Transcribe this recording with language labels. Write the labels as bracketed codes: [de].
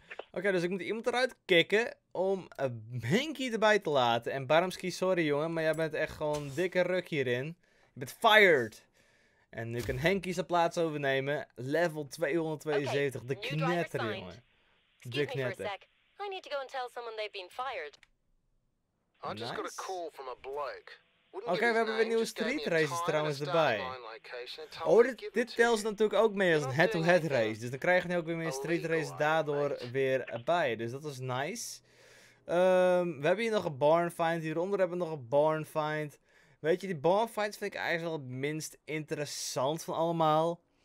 [nl] Oké, dus ik moet iemand eruit kicken om Henkie erbij te laten. En Baramski, sorry jongen, maar jij bent echt gewoon een dikke ruk hierin. Je bent fired. En nu kan Henkie zijn plaats overnemen. Level 272, de knetter jongen. De knetter. [en] I need to go and tell someone they've been fired. Nice. I just got a call from a bloke. [nl] Oké, we hebben weer nieuwe street races trouwens erbij. Oh, dit telt ze natuurlijk ook mee als een head-to-head race. Dus dan krijgen we ook weer meer street races daardoor weer bij. Dus dat is nice. We hebben hier nog een barn find. Hieronder hebben we nog een barn find. Weet je, die barn finds vind ik eigenlijk wel het minst interessant van allemaal.